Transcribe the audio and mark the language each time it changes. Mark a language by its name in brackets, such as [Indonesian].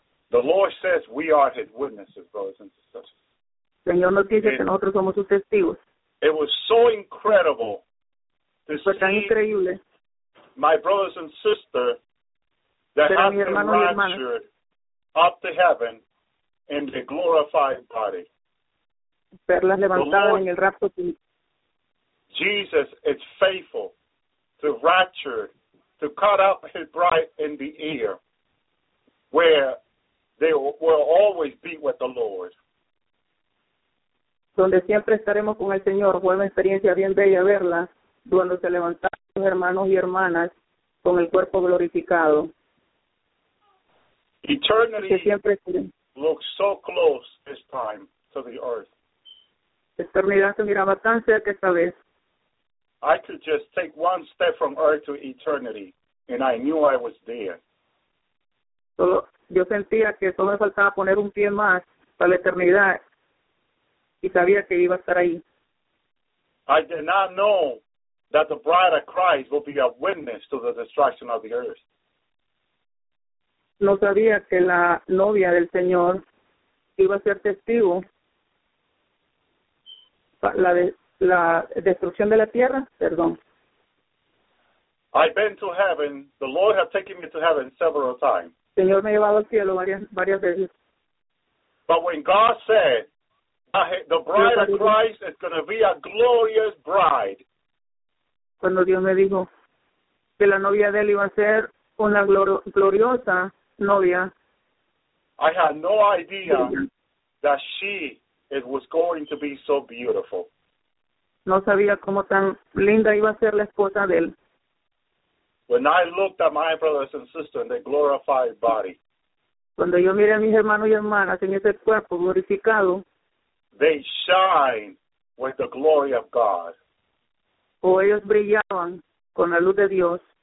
[English] The Lord says we are His witnesses, brothers and sisters. [Spanish] Señor nos dice que nosotros somos sus testigos. [English] It was so incredible to [Spanish] fue tan [English] see [Spanish] increíble. [English] My brothers and sisters that [Spanish] pero [English] have been raptured up to heaven in the glorified body. [Spanish] Perlas levantadas [English] the Lord, [Spanish] en el rapto. [English] Jesus is faithful to rapture, to cut up His bride in the air, where they will always be with the Lord. [Spanish] Donde siempre estaremos con el Señor. Fue una experiencia bien bella verla cuando se levantaron hermanos y hermanas con el cuerpo glorificado. [English] Eternity [Spanish] que siempre [English] looks so close this time to the earth. [Spanish] Eternidad se miraba tan cerca esta vez. [English] I could just take one step from earth to eternity and I knew I was there. [Spanish] Solo, yo sentía que solo me faltaba poner un pie más para la eternidad y sabía que iba a estar ahí. [English] I did not know that the bride of Christ will be a witness to the destruction of the earth. [Spanish] No sabía que la novia del Señor iba a ser testigo la destrucción de la tierra, perdón. [English] I've been to heaven. The Lord has taken me to heaven several times. [Spanish] Señor me ha llevado al cielo varias veces. [English] But when God said, the bride of Christ is going to be a glorious bride. [Spanish] Cuando Dios me dijo que la novia de él iba a ser una gloriosa novia. [English] I had no idea that she it was going to be so beautiful. [Spanish] No sabía cómo tan linda iba a ser la esposa de él. [English] When I looked at my brothers and sisters in their glorified body. [Spanish] Cuando yo miré a mis hermanos y hermanas en ese cuerpo glorificado. [English] They shine with the glory of God. [Spanish] O ellos brillaban con la luz de Dios.